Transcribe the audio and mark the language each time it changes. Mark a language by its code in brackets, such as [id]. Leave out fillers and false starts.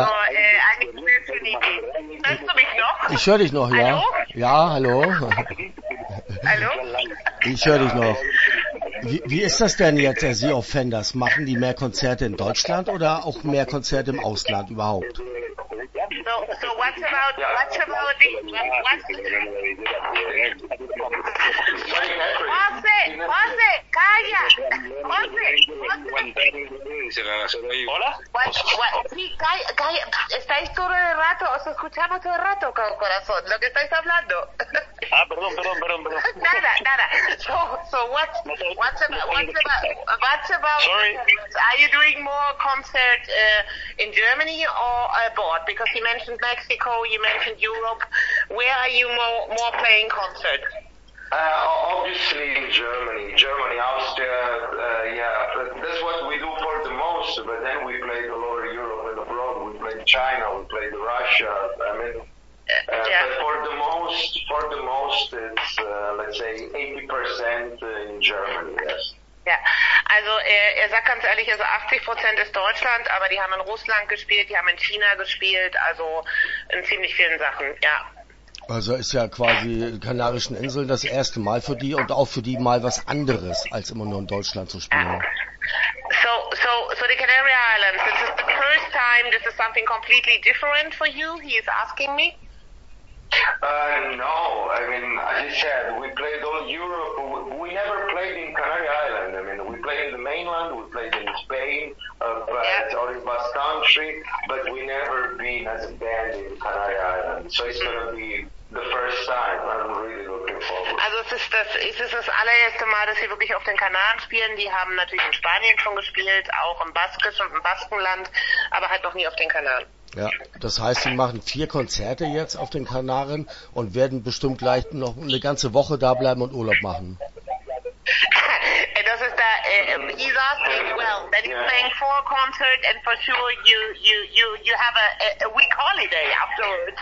[de] also, eigentlich eine schöne Idee. Hörst du mich noch? Ich höre dich noch, ja. Hallo? Ja, hallo. Hallo? Ich höre dich noch. Wie ist das denn jetzt, Sie Offenders? Machen die mehr Konzerte in Deutschland oder auch mehr Konzerte im Ausland überhaupt? [en] So what's about are you doing more concerts in Germany or abroad? Because you mentioned Mexico, you mentioned Europe. Where are you more playing concerts? Obviously in Germany, Austria, that's what we do for the most, but then we play the lower Europe and abroad, we play China, we play the Russia, but for the most, it's, let's say, 80% in Germany, yes. [de] Ja, also er sagt ganz ehrlich, also 80% ist Deutschland, aber die haben in Russland gespielt, die haben in China gespielt, also in ziemlich vielen Sachen, ja. Also ist ja quasi Kanarischen Inseln das erste Mal für die und auch für die mal was anderes, als immer nur in Deutschland zu spielen. [en] So the Canary Islands, this is the first time this is something completely different for you, he is asking me? No, I mean, as I said, we played all Europe, we never played in Canary Island. I mean, we played in the mainland, we played in Spain, but yeah. Or in Basque Country, but we never been as a band in Canary Islands. So it's going to be the first time. I'm really looking forward. [de] Also es ist das allererste Mal, dass sie wirklich auf den Kanaren spielen. Die haben natürlich in Spanien schon gespielt, auch im Baskisch und im Baskenland, aber halt noch nie auf den Kanaren. Ja, das heißt, sie machen 4 Konzerte jetzt auf den Kanaren und werden bestimmt gleich noch eine ganze Woche da bleiben und Urlaub machen. Das ist da, [en] he's asking, well, that he's playing 4 concerts and for sure you have a week holiday afterwards.